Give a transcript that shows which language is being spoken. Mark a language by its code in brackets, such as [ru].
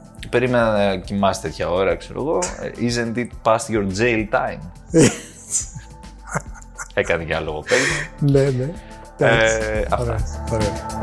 [el] Περίμενα να κοιμάσαι τέτοια ώρα, ξέρω εγώ. [en] Isn't it past your jail time? [el] Έκανε και ένα λογοπαίγνιο. Ναι, ναι. Ωραία.